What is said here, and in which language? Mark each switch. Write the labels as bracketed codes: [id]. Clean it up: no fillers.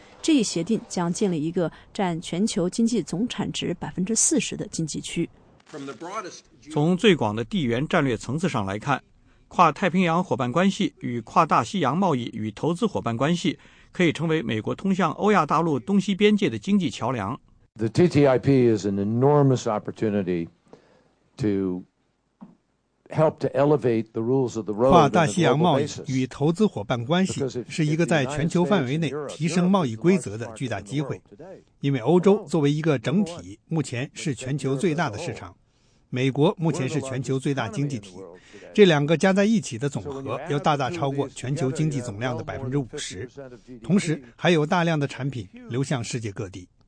[zh] 这一协定将建立一个占全球经济总产值 40% 的经济区。从最广的地缘战略层次上来看，跨太平洋伙伴关系与跨大西洋贸易与投资伙伴关系可以成为美国通向欧亚大陆东西边界的经济桥梁。 [en] The TTIP is an enormous opportunity to help to elevate the rules of the road. [zh] 跨大西洋贸易与投资伙伴关系是一个在全球范围内提升贸易规则的巨大机会，因为欧洲作为一个整体目前是全球最大的市场，美国目前是全球最大经济体，这两个加在一起的总和要大大超过全球经济总量的50%，同时还有大量的产品流向世界各地。